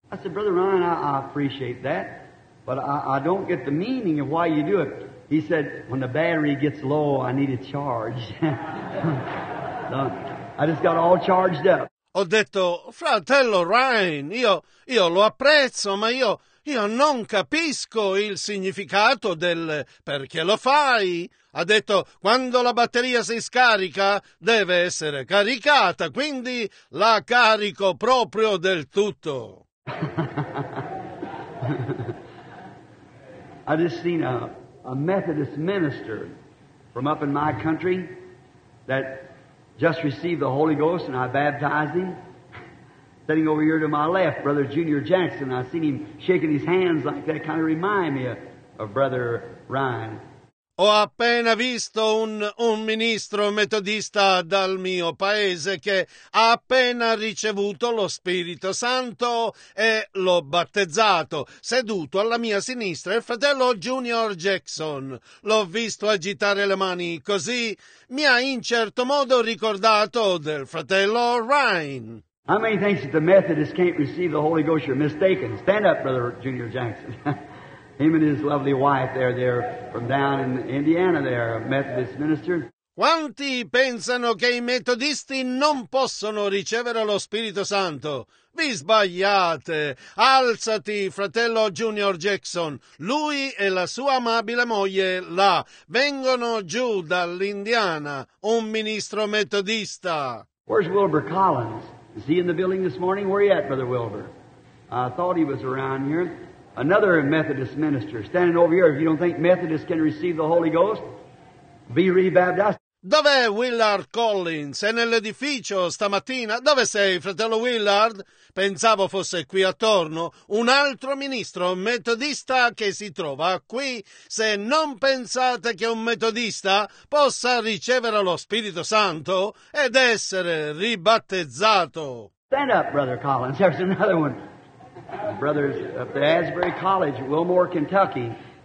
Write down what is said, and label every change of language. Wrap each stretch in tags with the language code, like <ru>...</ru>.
<en>I said, Brother Ryan, I appreciate that. But I don't get the meaning of why you do it. He said, when the battery gets low, I need a charge. So I just got all charged up.</en> <it>Ho detto, fratello Ryan, io lo apprezzo, ma io non capisco il significato del perché lo fai. Ha detto, quando la batteria si scarica, deve essere caricata, quindi la carico proprio del tutto.</it> <en>I just seen a Methodist minister from up in my country that just received the Holy Ghost, and I baptized him. Sitting over here to my left, Brother Junior Jackson, I seen him shaking his hands like that, kind of remind me of Brother Ryan.</en> <it>Ho appena visto un ministro metodista dal mio paese che ha appena ricevuto lo Spirito Santo e l'ho battezzato. Seduto alla mia sinistra il fratello Junior Jackson. L'ho visto agitare le mani così. Mi ha in certo modo ricordato del fratello Ryan.</it> <en>How many thinks that the Methodists can't receive the Holy Ghost? You're mistaken. Stand up, Brother Junior Jackson. Him and his lovely wife there from down in Indiana there, Methodist minister.</en> <it>Quanti pensano che i metodisti non possono ricevere lo Spirito Santo? Vi sbagliate! Alzati, fratello Junior Jackson. Lui e la sua amabile moglie là vengono giù dall'Indiana, un ministro metodista.</it> <en>Where's Wilbur Collins? Is he in the building this morning? Where are you at, Brother Wilbur? I thought he was around here. Another Methodist minister standing over here. If you don't think Methodists can receive the Holy Ghost, be rebaptized.</en> <it>Dov'è Willard Collins? È nell'edificio stamattina. Dove sei, fratello Willard? Pensavo fosse qui attorno. Un altro ministro metodista che si trova qui. Se non pensate che un metodista possa ricevere lo Spirito Santo ed essere ribattezzato.</it> <en>Stand up, Brother Collins. There's another one. Brothers of the Asbury College, Wilmore, Kentucky.</en>